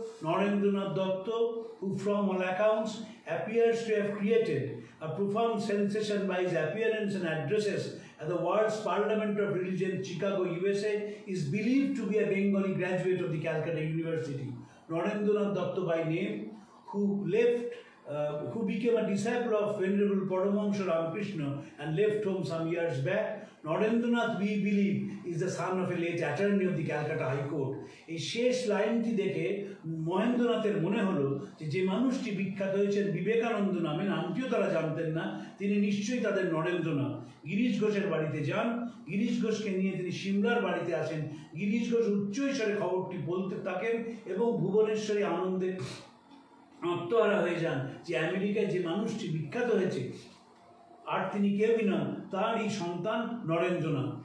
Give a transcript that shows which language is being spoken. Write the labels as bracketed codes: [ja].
[en] Narendranath Datta who from all accounts appears to have created a profound sensation by his appearance and addresses at the World's Parliament of Religion Chicago USA is believe to be a Bengali graduate of the Calcutta University Narendranath Datta by name who left who became a disciple of Venerable Paramahansa Ramakrishna and left home some years back. Narendranath, we believe, is the son of a late attorney of the Calcutta High Court. [bn] এই শেষ লাইনটি দেখে মহেন্দ্রনাথের মনে হলো যে যে মানুষটি বিখ্যাত হয়েছেন বিবেকানন্দ নামে, নামটিও তারা জানতেন না, তিনি নিশ্চয়ই তাদের নরেন্দ্রনাথ। গিরিশ ঘোষের বাড়িতে যান, গিরিশ ঘোষকে নিয়ে তিনি সিমলার বাড়িতে আসেন। গিরিশ ঘোষ উচ্চৈস্বরে খবরটি বলতে থাকেন এবং ভুবনেশ্বরী আনন্দে আত্মহারা হয়ে যান যে আমেরিকায় যে মানুষটি বিখ্যাত হয়েছে আর তিনি কেউই নন, তার এই সন্তান নরেন্দ্রনাথ।